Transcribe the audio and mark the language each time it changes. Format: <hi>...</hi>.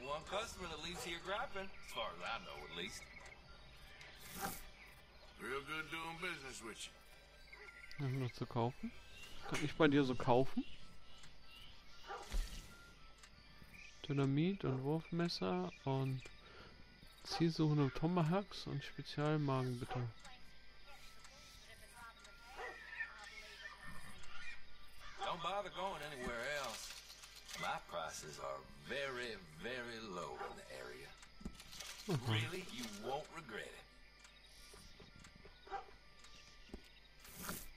<en>Customer that leaves here grappling, as far as I know, at least. Real good doing business with you.</en> <de>Nur zu kaufen? Kann ich bei dir so kaufen? Dynamit und Wurfmesser und Zielsuchen und Tomahawks und Spezialmagen, bitte.</de> <en>Don't bother going anywhere else. My prices are very, very low in the area. Mm-hmm. Really, you won't regret it.</en>